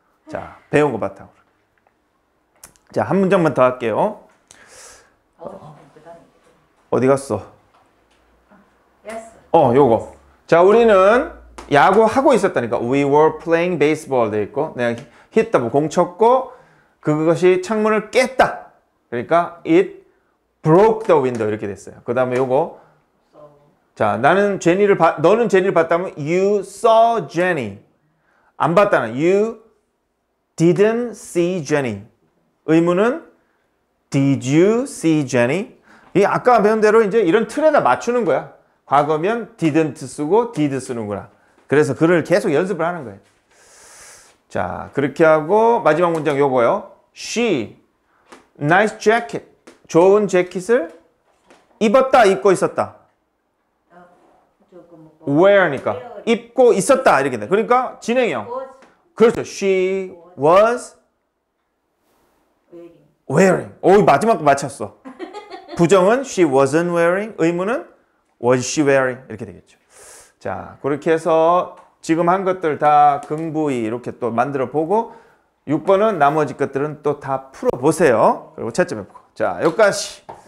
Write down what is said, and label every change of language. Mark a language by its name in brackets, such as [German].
[Korean] 자, 배운 거 바탕으로. 자, 한 문장만 더 할게요. 어디 갔어? 어, 요거. 자, 우리는 야구 하고 있었다니까. [English] We were playing baseball [Korean] 돼 있고, 내가 [English] hit the ball, [Korean] 공 쳤고, 그것이 창문을 깼다. 그러니까 [English] it broke the window [Korean] 이렇게 됐어요. 그 다음에 요거. 자, 나는 제니를 봤, 너는 제니를 봤다면 [English] you saw Jenny. [Korean] 안 봤다는 [English] you didn't see Jenny. [Korean] 의문은 [English] did you see Jenny? [Korean] 이 아까 배운 대로 이제 이런 틀에다 맞추는 거야. 과거면 didn't 쓰고 did 쓰는구나. 그래서 글을 계속 연습을 하는 거예요. 자, 그렇게 하고 마지막 문장 요거요. [English] She, nice jacket. [Korean] 좋은 재킷을 입었다, 입고 있었다. Where니까. 입고 있었다, 이렇게 돼. 그러니까 진행형. 그렇죠. [English] She was wearing. [Korean] 오, 마지막 거 맞췄어. 부정은 [English] she wasn't wearing. [Korean] 의문은 [English] was she wearing? [Korean] 이렇게 되겠죠. 자, 그렇게 해서 지금 한 것들 다 긍부위 이렇게 또 만들어 보고 6번은 나머지 것들은 또 다 풀어 보세요. 그리고 채점해 보고. 자, 여기까지.